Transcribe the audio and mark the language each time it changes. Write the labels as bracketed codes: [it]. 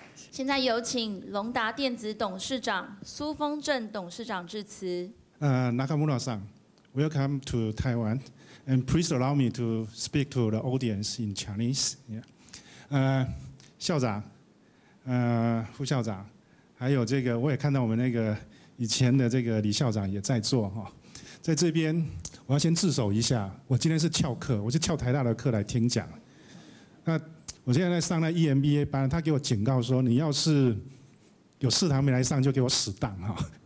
[zh] 现在有请龙达电子董事长苏丰正董事长致辞。 [en] Nakamura-san, welcome to Taiwan, and please allow me to speak to the audience in Chinese. Yeah. [zh] 校长，副校长，还有这个，我也看到我们那个以前的这个李校长也在座哈，在这边我要先自首一下，我今天是翘课，我是翘台大的课来听讲。那我现在在上那 EMBA 班，他给我警告说，你要是有四堂没来上，就给我死档哈。